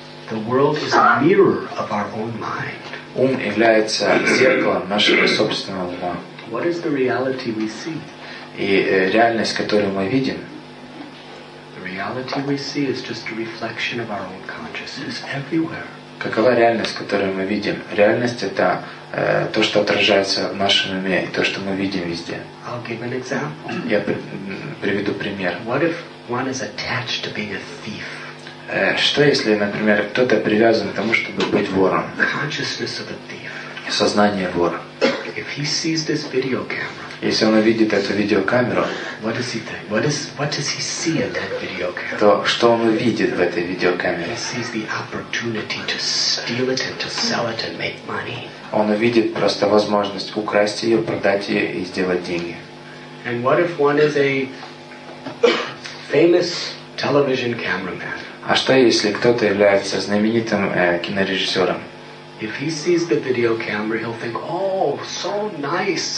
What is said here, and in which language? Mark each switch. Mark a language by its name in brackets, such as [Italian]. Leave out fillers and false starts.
[English] The world is a mirror of our own mind. [Russian] Ум является зеркалом нашего собственного ума. [English] What is the reality we see? [Russian] И реальность, которую мы видим. [English] Reality we see is just a reflection of our own consciousness everywhere. [Russian] Какова реальность, которую мы видим? Реальность это то, что отражается в нашем уме, и то, что мы видим везде. [English] I'll give an example. [Russian] Я приведу пример. [English] What if one is attached to being a thief? [Russian] Что если, например, кто-то привязан к тому, чтобы быть вором? [English] Consciousness of a thief. [Russian] Сознание вора. [English] If he sees this video camera. [Russian] Если он увидит эту видеокамеру, [English] what does he think? What does he see in that video camera? [Russian] То что он увидит в этой видеокамере? [English] He sees the opportunity to steal it and to sell it and make money. [Russian] Он увидит просто возможность украсть ее, продать ее и сделать деньги. [English] And what if one is a famous television cameraman? [Russian] А что если кто-то является знаменитым кинорежиссером? [English] If he sees the video camera, he'll think, "Oh, so nice!